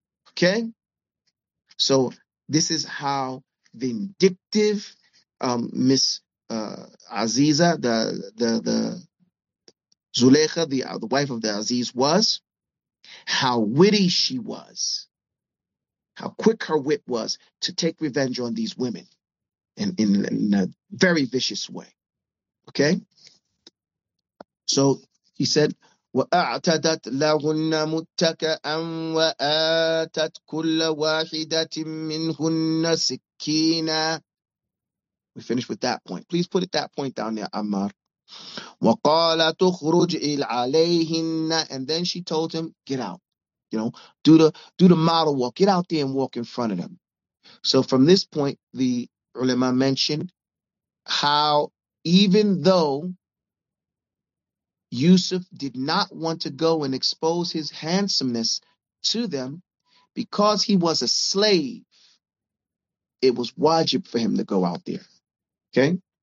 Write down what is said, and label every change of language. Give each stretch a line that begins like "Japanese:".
English: Okay, so this is how vindictive Miss Aziza, the Zuleika, the wife of the Aziz, was. How witty she was, how quick her wit was to take revenge on these women in a very vicious way. Okay, so he said,
Arabic: وأعتدت لهن متكئا وآتت كل واحدة منهن سكينا.
English: We finished with that point. Please put it that point down there, Ammar.
Arabic: وقال تخرج عليهن.
English: And then she told him, get out. You know, do the model walk. Get out there and walk in front of them. So from this point, the ulama mentioned how even though Yusuf did not want to go and expose his handsomeness to them, because he was a slave, it was wajib for him to go out there. Okay?